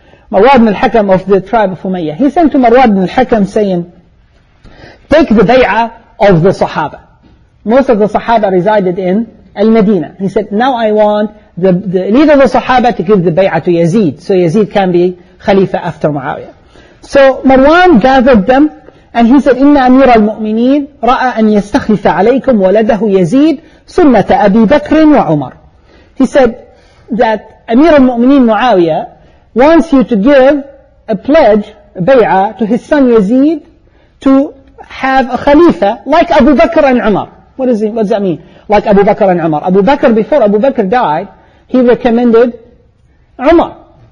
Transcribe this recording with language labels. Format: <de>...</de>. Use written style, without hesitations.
<en>Marwan ibn al-Hakam of the tribe of Umayyah. He sent to Marwan ibn al-Hakam saying, take the bay'ah of the Sahaba. Most of the Sahaba resided in al-Madinah. He said, now I want the leader of the Sahaba to give the bay'ah to Yazid, so Yazid can be Khalifa after Muawiyah. So Marwan gathered them, and he said,</en> <ar>إِنَّ أَمِيرَ الْمُؤْمِنِينَ رَأَى أَنْ يَسْتَخْلِفَ عَلَيْكُمْ وَلَدَهُ يَزِيدُ سُنَّةَ أَبِي بَكْرٍ وَعُمَرٍ.</ar> <en>He said that Amir al-Mu'mineen Muawiyah wants you to give a pledge, a bay'ah, to his son Yazid to have a khalifa like Abu Bakr and Umar. What does that mean? Like Abu Bakr and Umar. Abu Bakr, before Abu Bakr died, he recommended Umar.</en>